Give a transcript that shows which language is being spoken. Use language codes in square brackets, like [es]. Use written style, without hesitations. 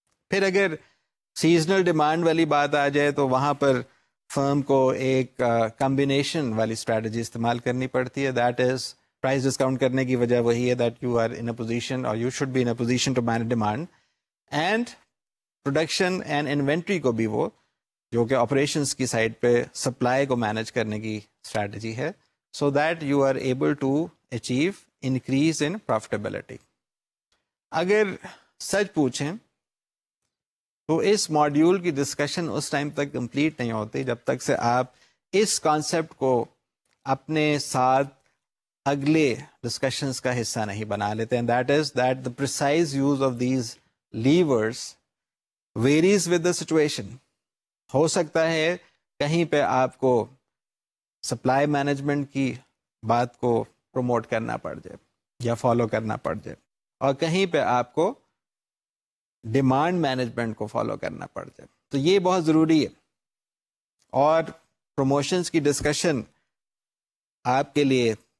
[ur] پھر اگر seasonal demand والی بات آ جائے تو وہاں پر فرم کو ایک کمبینیشن والی اسٹریٹجی استعمال کرنی پڑتی ہے, دیٹ از پرائز ڈسکاؤنٹ کرنے کی وجہ وہی ہے [en] that you are in a position اور you should be in a position to manage demand and production and inventory [ur] کو بھی, وہ جو کہ آپریشنس کی سائڈ پہ سپلائی کو مینیج کرنے کی اسٹریٹجی ہے, [en] So that you are able to achieve increase in profitability. [ur] اگر سچ پوچھیں تو اس ماڈیول کی ڈسکشن اس ٹائم تک کمپلیٹ نہیں ہوتی جب تک سے آپ اس کانسیپٹ کو اپنے ساتھ اگلے ڈسکشنس کا حصہ نہیں بنا لیتے ہیں. [en] That is that the precise use of these levers varies with the situation. [ur] ہو سکتا ہے کہیں پہ آپ کو سپلائی مینجمنٹ کی بات کو پروموٹ کرنا پڑ جائے یا فالو کرنا پڑ جائے, اور کہیں پہ آپ کو ڈیمانڈ مینجمنٹ کو فالو کرنا پڑ جائے. تو یہ بہت ضروری ہے, اور پروموشنز کی ڈسکشن آپ کے لیے